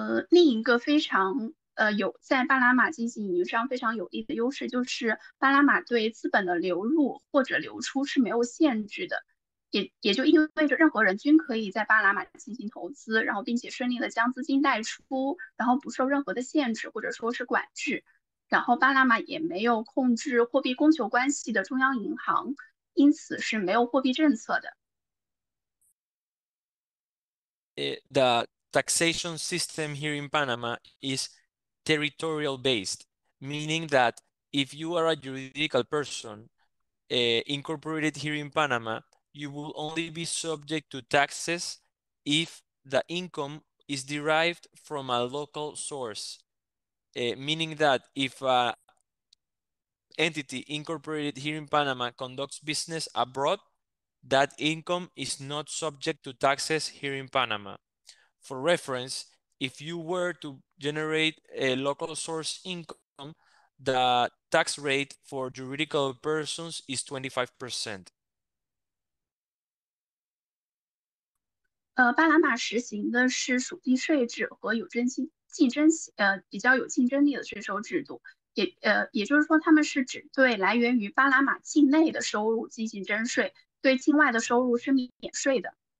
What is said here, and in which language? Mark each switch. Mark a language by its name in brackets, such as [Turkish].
[Chinese] 另一个非常有在巴拿马进行营商非常有利的优势，就是巴拿马对资本的流入或者流出是没有限制的，也就意味着任何人均可以在巴拿马进行投资，然后并且顺利的将资金带出，然后不受任何的限制或者说是管制。然后巴拿马也没有控制货币供求关系的中央银行，因此是没有货币政策的。 [English] The taxation system here in Panama is territorial based, meaning that if you are a juridical person incorporated here in Panama, you will only be subject to taxes if the income is derived from a local source. Meaning that if an entity incorporated here in Panama conducts business abroad, that income is not subject to taxes here in Panama. For reference, if you were to generate a local source income, the tax rate for juridical persons is 25%. [Chinese] 巴拿马实行的是属地税制和有征信竞争比较有竞争力的税收制度，也就是说他们是只对来源于巴拿马境内的收入进行征税，对境外的收入是免税的。